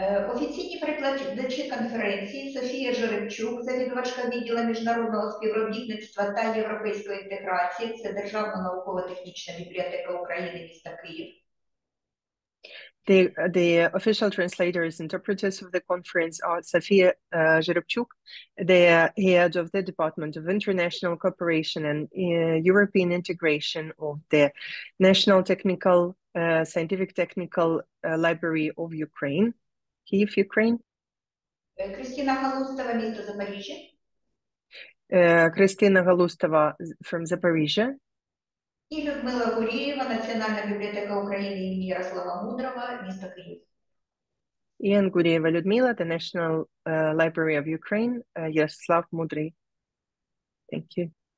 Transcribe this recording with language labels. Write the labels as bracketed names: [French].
[Ukrainian] Офіційні перекладачі конференції Софія Жеребчук, завідувачка відділу міжнародного співробітництва та європейської інтеграції, це Державна науково-технічна бібліотека України міста Київ. [English] The official translators interpreters of the conference are Sofia Zhirubchuk, the head of the Department of International Cooperation and European Integration of the National Technical Scientific Technical Library of Ukraine, Kyiv, Ukraine. [Ukrainian] Kristina Galustova, місто Запоріжжя. [English] Kristina Galustova from Zaporizhia. [Ukrainian] І Людмила Гурієва, Національна бібліотека України імені Ярослава Мудрого, місто Київ. [English] Ian Gurieva Lyudmila, the National Library of Ukraine, Yaroslav Mudry. Thank you.